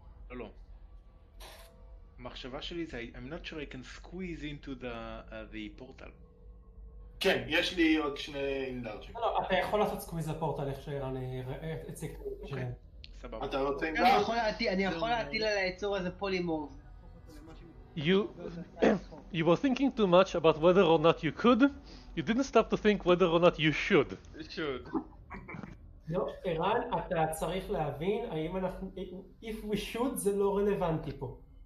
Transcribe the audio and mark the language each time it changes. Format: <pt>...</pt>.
<he>לא, לא. המחשבה שלי זה,</he> <en>I'm not sure I can squeeze into the portal.</en> <he>כן, יש לי עוד שני enlarge. לא, אתה יכול לעשות squeeze לפורטל, איך שאירן הציג את זה. אוקיי, סבבה. אתה רוצה</he> <en>enlarge?</en> <he>אני יכול להטיל על היצור הזה polymorph.</he> <en>You were thinking too much about whether or not you could. You didn't stop to think whether or not you should. Should. No,</en> <he>Eran, אתה צריך להבין האם אנחנו...</he> <en>If we should,</en> <he>זה לא רלוונטי פה.</he>